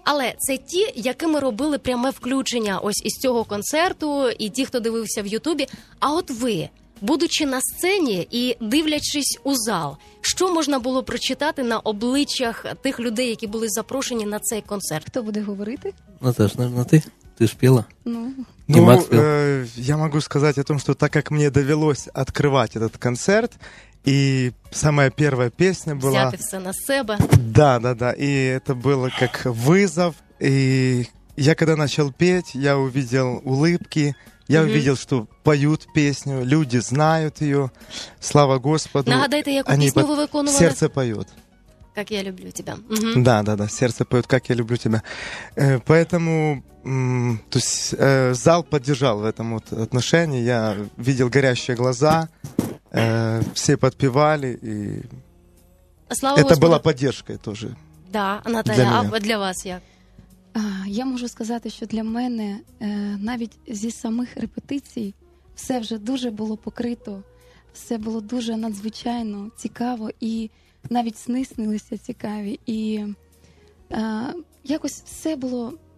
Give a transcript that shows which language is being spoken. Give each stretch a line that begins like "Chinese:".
Ukrainian: Але це ті, які ми робили пряме включення ось із цього концерту і ті, хто дивився в Ютубі. А от ви, будучи на сцені і дивлячись у зал, що можна було прочитати на обличчях тих людей, які були запрошені на цей концерт? Хто буде говорити? Ну, це ж,
Russian: наверное, ти. Ты спела? Ну, я могу сказать о том, что так как мне довелось открывать этот концерт, и самая первая песня была... Взяты все на себя. Да. И это было как вызов. И я когда начал петь, я увидел улыбки, я увидел, что поют песню, люди знают ее. Слава Господу.
Ukrainian: Нагадайте,
Russian: какую песню вы выконывали? «Сердце поет». «Как я люблю тебя». Угу. Да. «Сердце поет, как я люблю тебя». Поэтому... То есть зал поддержал в этом вот отношении. Я видел горящие глаза, все подпевали, и слава это Господу. Была поддержкой тоже. Да, Наталя, для меня. А для вас
Ukrainian: як? Я можу сказати, що для мене навіть зі самих репетицій все вже дуже було покрито, все було дуже надзвичайно цікаво, і навіть сни снилися цікаві, і якось все було.